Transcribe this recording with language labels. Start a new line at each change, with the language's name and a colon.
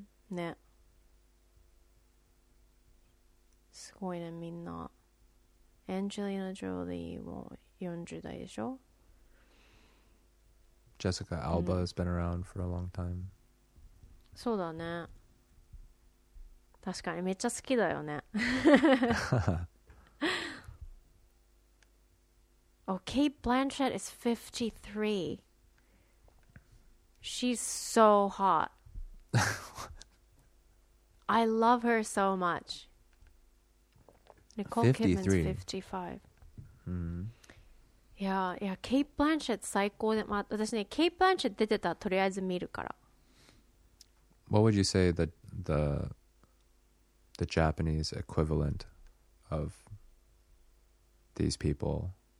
Japanese: ね。すごいね、みんな。Angelina Jolie も40代でしょ。
English: Jessica Alba has been around for a long time.
Japanese: そうだね。確かにめっちゃ好きだよね。
English: Oh, Kate Blanchett is 53. She's so hot. I love her so much. Nicole Kidman's 55.
Japanese: いや、ケイト・ブランシェット最高で、まあ、私ね、ケイト・ブランシェット出てたらとりあえず見るから。
English: What would you say the Japanese equivalent of these people?